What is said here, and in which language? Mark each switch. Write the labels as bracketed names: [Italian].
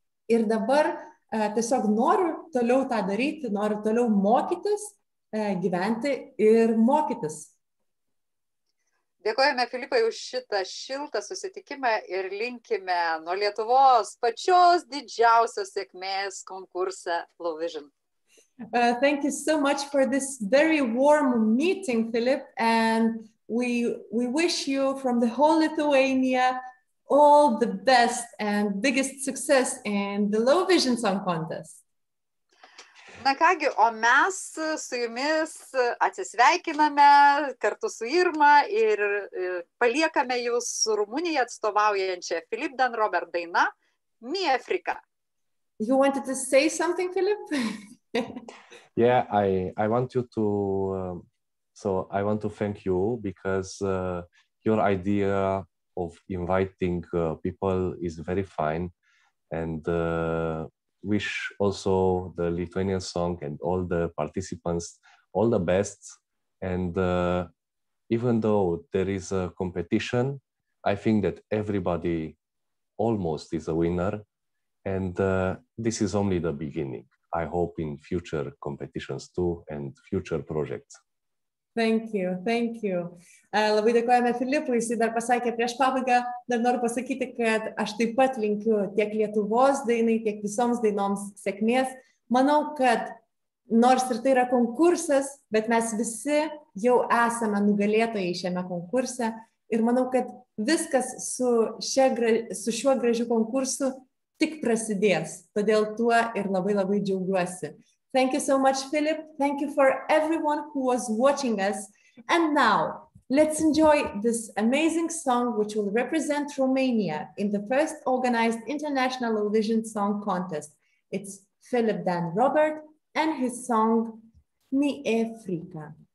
[Lithuanian] Ir dabar tiesiog noriu toliau tą daryti, noriu toliau mokytis gyventi ir mokytis. Dėkojame, Filipai, už šitą šiltą susitikimą ir linkime nuo Lietuvos pačios didžiausios sėkmės konkurse Low Vision. [English] Thank you so much for this very warm meeting, Filip, and we wish you from the whole Lithuania all the best and biggest success in the Low Vision Song Contest. [Lithuanian] Na kągi, o mes su jumis atsisveikiname kartu su Irma ir paliekame jūs su Rumunija atstovaujančia Filip Dan Robert daina Mi Afrika. [English] You wanted to say something, Filip? Yeah, I want you to I want to thank you because your idea of inviting people is very fine and wish also the Lithuanian song and all the participants all the best. And even though there is a competition, I think that everybody almost is a winner. And this is only the beginning. I hope in future competitions too and future projects. Thank you, thank you. [Lithuanian] Labai dėkojame Filipui, jis dar pasakė prieš pabaigą, dar noriu pasakyti, kad aš taip pat linkiu tiek Lietuvos dainai, tiek visoms dainoms sėkmės. Manau, kad nors ir tai yra konkursas, bet mes visi jau esame nugalėtojai šiame konkurse ir manau, kad viskas su šiuo gražiu konkursu tik prasidės, todėl tuo ir labai labai džiaugiuosi. [English] Thank you so much, Filip. Thank you for everyone who was watching us. And now, let's enjoy this amazing song, which will represent Romania in the first organized International Eurovision Song Contest. It's Filip Dan Robert and his song, Mi Afrika.